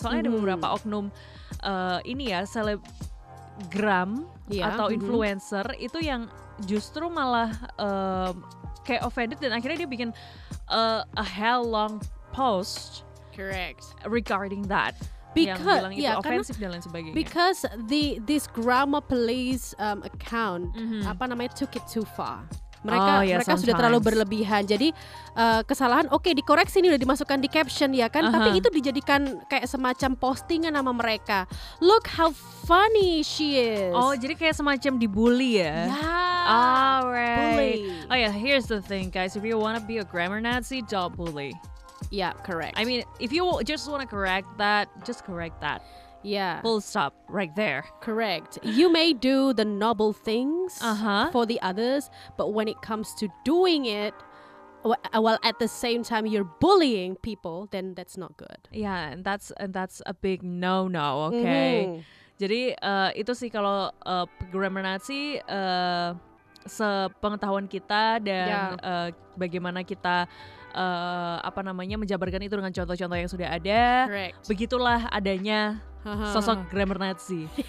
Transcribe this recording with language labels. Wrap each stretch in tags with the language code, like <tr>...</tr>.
<id>Soalnya ada beberapa oknum ini ya selebgram atau influencer itu yang justru malah kayak offended dan akhirnya dia bikin a hell long post.</id> <en>Correct.</en> <id>Regarding that. Because, yang bilang itu offensive dan lain sebagainya.</id> <en>Because this grammar police account apa namanya took it too far.</en> <id>Mereka sudah terlalu berlebihan. Jadi kesalahan dikoreksi nih, udah dimasukkan di caption ya kan. Tapi itu dijadikan kayak semacam postingan sama mereka.</id> <en>Look how funny she is.</en> <id>Oh, jadi kayak semacam dibully ya.</id> <en>Yeah. Alright. Bully. Oh yeah, here's the thing guys, if you wanna be a grammar Nazi, don't bully. Yeah, correct. I mean, if you just wanna correct that, just correct that. Yeah. Full stop right there. Correct. You may do the noble things for the others, but when it comes to doing it while at the same time you're bullying people, then that's not good. Yeah, and that's a big no-no, okay?</en> <id>Jadi itu sih kalau grammar Nazi sepengetahuan kita dan bagaimana kita menjabarkan itu dengan contoh-contoh yang sudah ada.</id> <en>Correct.</en> <id>Begitulah adanya sosok grammar Nazi.</id>